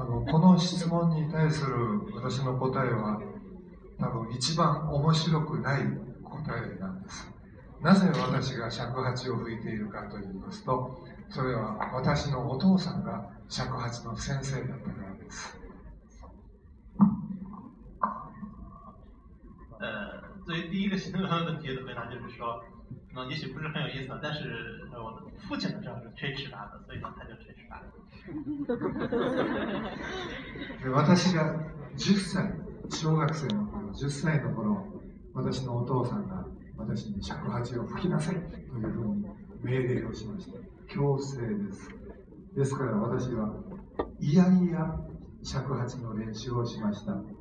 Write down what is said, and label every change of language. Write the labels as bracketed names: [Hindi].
[Japanese] この質問に対する私の答えは多分一番面白くない答えなんです。なぜ私が尺八を吹いているかと言いますと、それは私のお父さんが尺八の先生だったからです。 [Chinese] 所以第一个新的问题的回答就是说，那也许不是很有意思，但是我的父亲的正是吹尺八的，所以他就吹尺八。 [Japanese] で私が10歳、小学生の頃、10歳の頃、私のお父さんが私に尺八を吹きなさいというふうに命令をしました。強制です。ですから私はいやいや尺八の練習をしました。